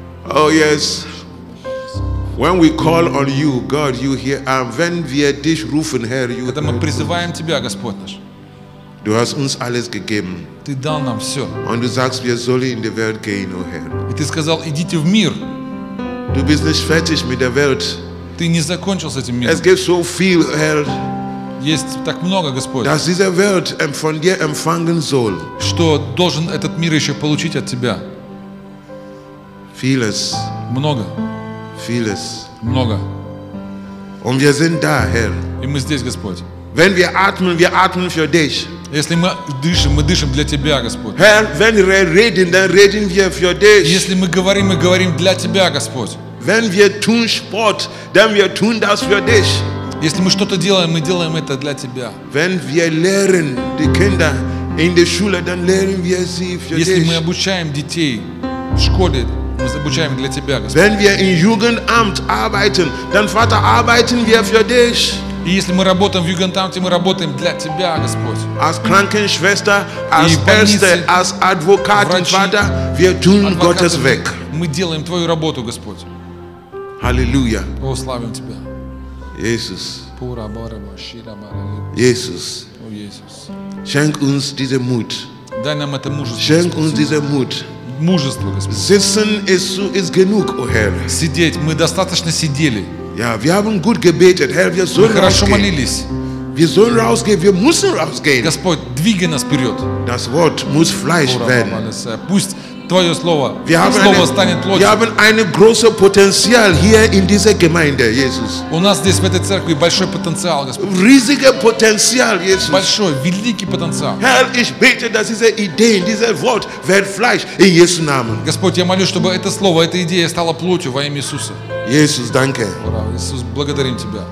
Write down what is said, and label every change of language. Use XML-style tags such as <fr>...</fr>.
<en>Oh yes. When we call on you, God, you hear. And when we are dish rufen her, you.</en> <ru>Когда мы призываем тебя, Господь наш.</ru> <de>Du hast uns alles gegeben.</de> <ru>Ты дал нам все.</ru> <de>Und du sagst, wir sollen in der Welt gehen, O Herr.</de> <ru>И ты сказал, идите в мир.</ru> <de>Du bist nicht fertig mit der Welt.</de> <ru>Ты не закончил с этим миром.</ru> <de>Es gibt so viel, Herr.</de> <ru>Есть так много, Господь.</ru> <de>Dass diese Welt von dir empfangen soll.</de> <ru>Что должен этот мир еще получить от тебя?</ru> <de>Vieles.</de> <ru>Много.</ru> <de>Vieles.</de> <ru>Много.</ru> <de>Und wir sind da, Herr.</de> <ru>И мы здесь, Господь.</ru> <de>Wenn wir atmen für dich.</de> <ru>Если мы дышим для тебя, Господь.</ru> <de>Herr, wenn wir reden, dann reden wir für dich.</de> <ru>Если мы говорим для тебя, Господь.</ru> <de>Wenn wir tun Sport, dann wir tun das für dich.</de> <ru>Если мы что-то делаем, мы делаем это для тебя.</ru> <de>Wenn wir lernen die Kinder in der Schule, dann lernen wir sie für dich.</de> <ru>Если мы обучаем детей в школе. Мы обучаем для тебя, Господь.</ru> <de>Wenn wir in Jugendamt arbeiten, dann Vater, arbeiten wir für dich.</de> <ru>И если мы работаем в Jugendamte, мы работаем для тебя, Господь.</ru> <de>Als Krankenschwester, als Ärzte, als Advokat, Vater, wir tun Gottes Werk.</de> <ru>Мы делаем твою работу, Господь. Аллилуйя. Прославим тебя.</ru> <de>Jesus. Pura barba shira mara. Jesus.</de> <ru>О, Иисус.</ru> <de>Schenk uns diesen Mut.</de> <ru>Дай нам это мужество.</ru> <de>Schenk uns diesen Mut.</de> <ru>Мужество, Господь.</ru> <de>Sitzen ist genug, oh Herr.</de> <ru>Сидеть, мы достаточно сидели.</ru> <de>Yeah, wir haben gut gebetet, Herr, wir sollen rausgehen.</de> <ru>Мы хорошо молились.</ru> <de>Wir sollen rausgehen, wir müssen rausgehen.</de> <ru>Господь, двигай нас вперед.</ru> <de>Das Wort muss Fleisch werden.</de> <ru>Пусть твое слово, станет плотью.</ru> <de>Wir haben ein großes Potenzial hier in dieser Gemeinde, Jesus.</de> <ru>У нас здесь в этой церкви большой потенциал, Господь.</ru> <de>Riesiger Potenzial, Jesus.</de> <ru>Большой, великий потенциал.</ru> <de>Herr, ich bete, dass diese Idee, dieses Wort wird Fleisch in Jesu Namen.</de> <ru>Господь, я молюсь, чтобы это слово, эта идея стала плотью во имя Иисуса.</ru> <de>Jesus, danke.</de> <ru>Ура, Иисус, благодарим тебя.</ru>